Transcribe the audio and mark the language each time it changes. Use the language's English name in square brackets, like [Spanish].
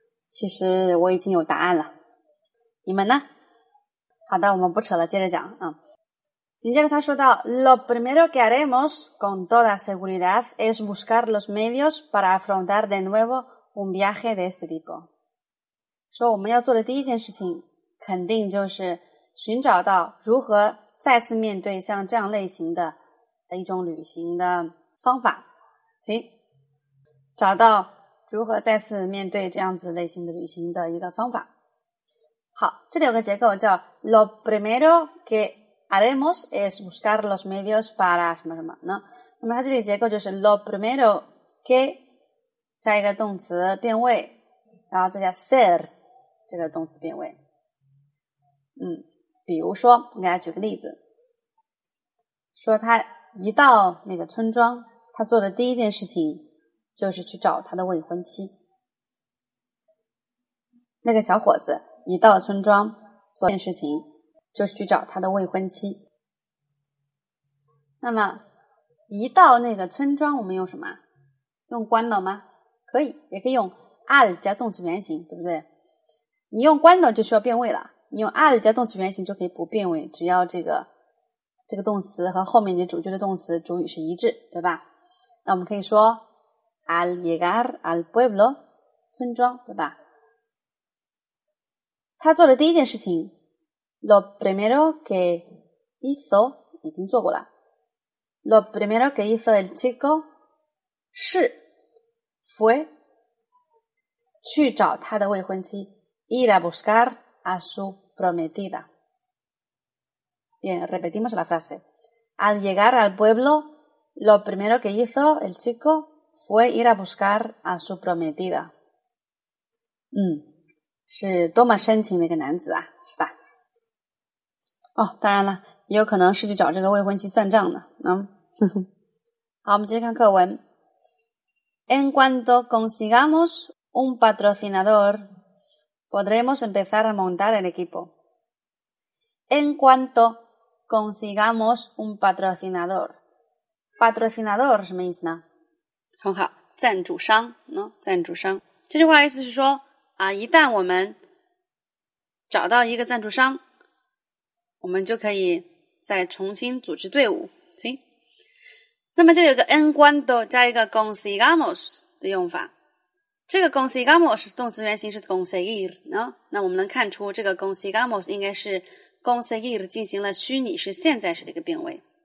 [Chinese] 其实我已经有答案了，你们呢？好的，我们不扯了，接着讲啊。紧接着他说道 [Spanish] ：“Lo primero que haremos con toda seguridad es buscar los medios para afrontar de nuevo un viaje de este tipo。” [Chinese] 说我们要做的第一件事情，肯定就是寻找到如何再次面对像这样类型的一种旅行的方法。行，找到。如何再次面对这样子类型的旅行的一个方法。好，这里有个结构叫 [Spanish] Lo primero que haremos es buscar los medios para 什么什么呢。 [Chinese] 那么它这里结构就是 [Spanish] Lo primero que [Chinese] 加一个动词变位，然后再加 ser 这个动词变位。比如说我给大家举个例子，说他一到那个村庄，他做的第一件事情就是去找他的未婚妻。那个小伙子一到村庄做一件事情就是去找他的未婚妻。那么一到那个村庄我们用什么？用cuando吗？可以，也可以用 al 加动词原形，对不对？你用cuando就需要变位了，你用 al 加动词原形就可以不变位，只要这个动词和后面你主句的动词主语是一致，对吧？那我们可以说 [Spanish] Al llegar al pueblo, [Chinese] 村庄，对吧？他做的第一件事情 , [Spanish] lo primero que hizo, [Chinese] 已经做过了。 [Spanish] Lo primero que hizo el chico, 是 ,fue, [Chinese] 去找他的未婚妻 [Spanish] ,ir a buscar a su prometida. Bien, repetimos la frase. Al llegar al pueblo, lo primero que hizo el chico,fue ir a buscar a su prometida. [Chinese] 是多么深情的一个男子啊，是吧？哦，当然了，也有可能是去找这个未婚妻算账的。好，我们继续看课文。 [Spanish] En cuanto consigamos un patrocinador, podremos empezar a montar el equipo. En cuanto consigamos un patrocinador. [Chinese] Patrocinador, 什么意思呢？很好，赞助商，赞助商。这句话意思是说啊，一旦我们找到一个赞助商，我们就可以再重新组织队伍。行，那么这里有个 en cuanto 加一个 consigamos 的用法，这个 consigamos 动词原形是 conseguir， 那我们能看出这个 consigamos 应该是 conseguir 进行了虚拟式现在时的一个变位。